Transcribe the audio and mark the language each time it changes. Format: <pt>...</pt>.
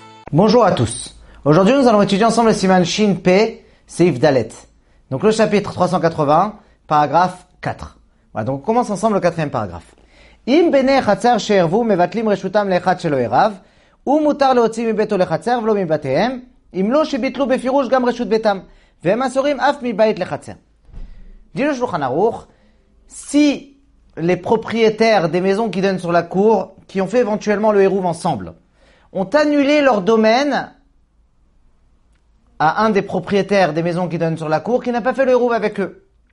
<fr>Bonjour à tous. Aujourd'hui, nous allons étudier ensemble le Siman Shin Pe Seif Dalet. Donc le chapitre 380, paragraphe 4. Voilà, donc on commence ensemble le quatrième paragraphe.</fr> <he>Im bene chatzer shervu mevatlim reshutam lechat shelo erav. ומותר להוציא מביתו לחצר ולא מבתיהם, אם לא שביטלו בפירוש גם רשות ביתם, והם אסורים אף מבית לחצר. דין השולחן ערוך,</he> <fr>si les propriétaires des maisons qui donnent sur la cour, qui ont fait éventuellement le hérouv ensemble, ont annulé leur domaine à un des propriétaires des maisons qui donnent sur la cour, qui n'a pas fait le hérouv avec eux.</fr>